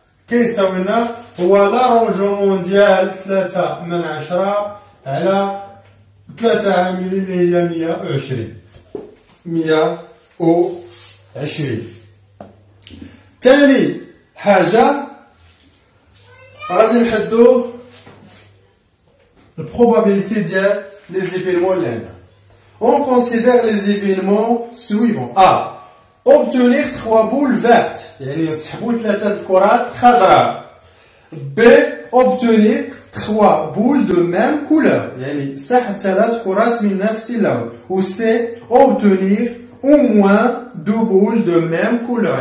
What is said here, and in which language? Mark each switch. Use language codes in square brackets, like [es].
[ar] كيساوي لنا هو لارونجومون ديال 3 من 10 على 3 عامل اللي هي 120. 120. ثاني حاجة غادي نحدو البروبابيليتي ديال لي زيفيرمون اللي عندنا. [fr] On considère les événements suivants. A. Obtenir 3 boules vertes. [ar] يعني نسحبو 3 الكرات خضراء. [fr] B. Obtenir 3 boules de même couleur. [ar] يعني سحب 3 كرات من نفس اللون. [fr] Ou C. Obtenir au moins 2 boules de même couleur.